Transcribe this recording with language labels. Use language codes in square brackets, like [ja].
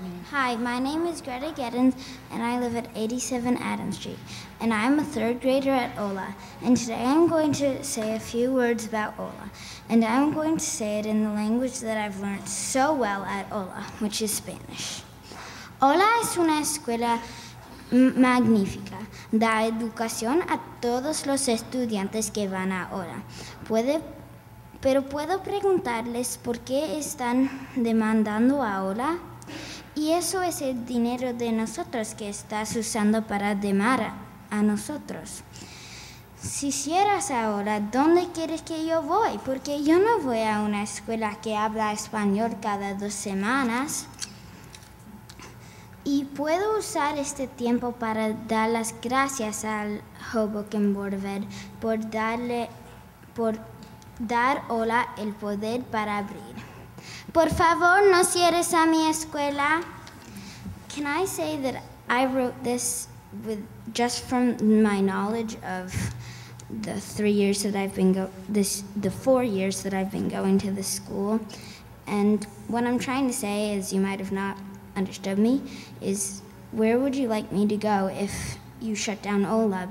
[en] Hi, my name is Greta Gettens, and I live at 87 Adams Street, and I'm a third grader at OLA, and today I'm going to say a few words about OLA, and I'm going to say it in the language that I've learned so well at OLA, which is Spanish. [es] OLA es una escuela magnífica. Da educación a todos los estudiantes que van a OLA. Pero puedo preguntarles por qué están demandando a OLA. Y eso es el dinero de nosotros que estás usando para demar a nosotros. Si cierras ahora, ¿dónde quieres que yo voy? Porque yo no voy a una escuela que habla español cada 2 semanas. Y puedo usar este tiempo para dar las gracias al Hoboken Board of Ed por dar hola el poder para abrir. Por favor, no cierres a mi escuela. [en] Can I say that I wrote this with just from my knowledge of the four years that I've been going to the school? And what I'm trying to say is, you might have not understood me, is where would you like me to go if you shut down OLA?